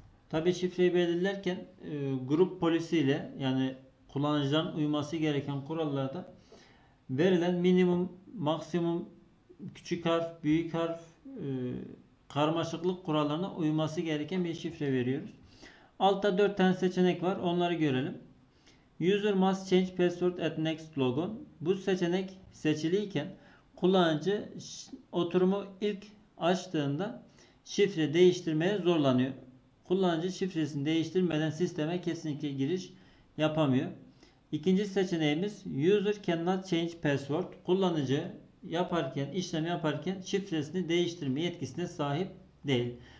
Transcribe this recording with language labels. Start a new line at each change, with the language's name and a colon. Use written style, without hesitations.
Turkish: Tabii şifreyi belirlerken grup polisiyle yani kullanıcıların uyması gereken kurallarda verilen minimum, maksimum, küçük harf, büyük harf, karmaşıklık kurallarına uyması gereken bir şifre veriyoruz. Altta 4 tane seçenek var. Onları görelim.
English: User must change password at next logon.
Turkish: Bu seçenek seçiliyken kullanıcı oturumu ilk açtığında şifre değiştirmeye zorlanıyor. Kullanıcı şifresini değiştirmeden sisteme kesinlikle giriş yapamıyor. İkinci seçeneğimiz
English: User cannot change password.
Turkish: Kullanıcı işlem yaparken şifresini değiştirme yetkisine sahip değil.